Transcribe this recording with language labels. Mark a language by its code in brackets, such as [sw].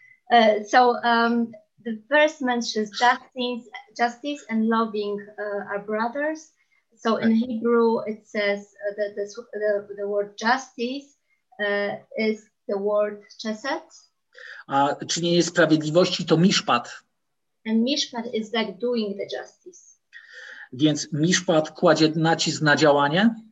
[en] The verse mentions justice and loving our brothers. So in Hebrew it says that the word justice is the word chesed. [pl] A czynienie sprawiedliwości to mishpat. [en] And mishpat is like doing the justice. [pl] Więc mishpat kładzie nacisk na działanie.